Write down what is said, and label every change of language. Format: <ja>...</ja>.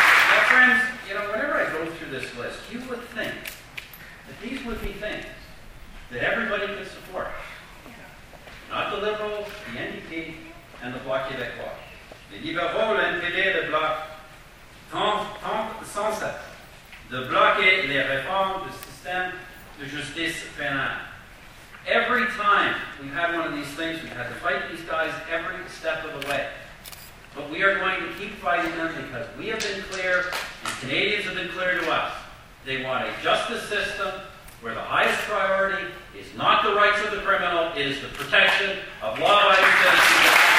<en>Now, friends, you know, whenever I go through this list, you would think that these would be things that everybody could support. Not the Liberals, the NDP, and the Bloc Québécois.</en> <fr>Les libéraux, l'NPD, le Bloc, tentent sans cesse de bloquer les réformes du système de justice pénale.</fr> <en>Every time we had one of these things, we had to fight these guys every step of the way. But we are going to keep fighting them because we have been clear, and Canadians have been clear to us, they want a justice system where the highest priority is not the rights of the criminal, it is the protection of law-abiding citizens.</en>